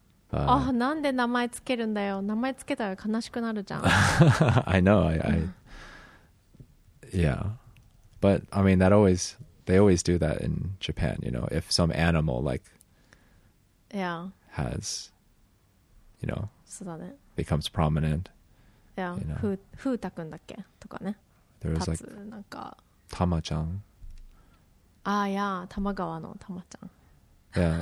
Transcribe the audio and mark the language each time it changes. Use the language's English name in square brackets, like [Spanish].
[Japanese] なんで名前つけるんだよ。名前つけたら悲しくなるじゃん。 [English] I know. I yeah. But, I mean, they always do that in Japan, you know, if some animal like has... You know, [Japanese] そうだね。 [English] becomes prominent. Yeah, you know. [Japanese] フータくんだっけとかね。 [English] There was like, [Japanese] なんか、タマちゃん。ああ、いや、タマ川のタマちゃん。